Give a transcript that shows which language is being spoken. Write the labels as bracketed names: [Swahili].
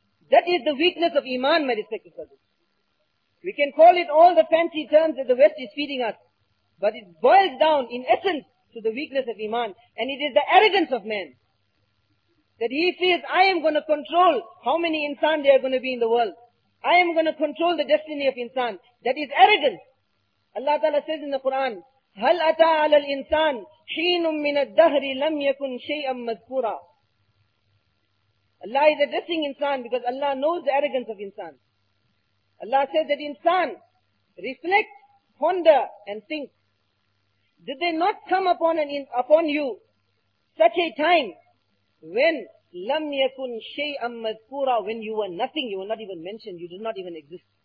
[English] That is the weakness of Iman, my respected brothers. We can call it all the fancy terms that the West is feeding us, but it boils down in essence to the weakness of Iman, and it is the arrogance of man that he feels, I am going to control how many insan there are going to be in the world. I am going to control the destiny of insan. That is arrogance. Allah Ta'ala says in the Quran, [Arabic] هَلْ أَتَى عَلَى الْإِنسَانِ حِينٌ مِّنَ الدَّهْرِ لَمْ يَكُنْ شَيْئًا مَذْكُورًا. [English] Allah is addressing insan because Allah knows the arrogance of insan. Allah says that insan, reflect, ponder and think. Did they not come upon you such a time when [Arabic] لَمْ يَكُنْ شَيْئًا مَذْكُورًا, [English] when you were nothing, you were not even mentioned, you did not even exist.